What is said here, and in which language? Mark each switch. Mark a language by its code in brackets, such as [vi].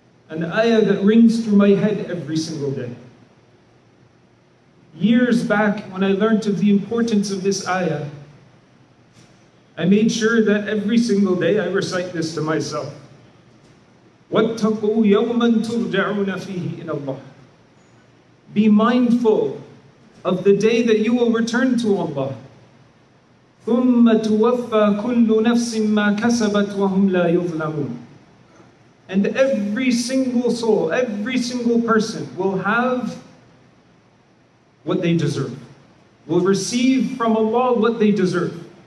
[en] An ayah that rings through my head every single day. Years back, when I learned of the importance of this ayah, I made sure that every single day I recite this to myself. [ar] وَاتَّقُوا يَوْمًا تُرْجَعُونَ فِيهِ إِلَى اللَّهِ. [en] Be mindful of the day that you will return to Allah. [ar] ثُمَّ تُوَفَّى كُلُّ نَفْسٍ مَّا كَسَبَتْ وَهُمْ لَا يُظْلَمُونَ. [en] And every single soul, every single person will have what they deserve, will receive from Allah what they deserve.